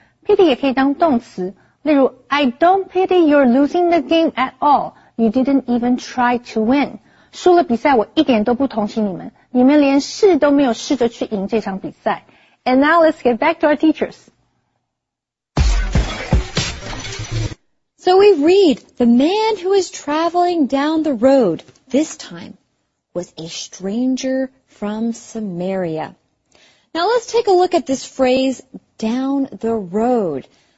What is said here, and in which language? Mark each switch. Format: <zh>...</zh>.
<en>pity</en> <zh>也可以当动词，例如</zh> <en>I don't pity you're losing the game at all， you didn't even try to win，</en> <zh>输了比赛我一点都不同情你们，你们连试都没有试着去赢这场比赛。</zh> <en>And now let's get back to our teachers. So we read, the man who is traveling down the road this time was a stranger from Samaria. Now let's take a look at this phrase, down the road.</en>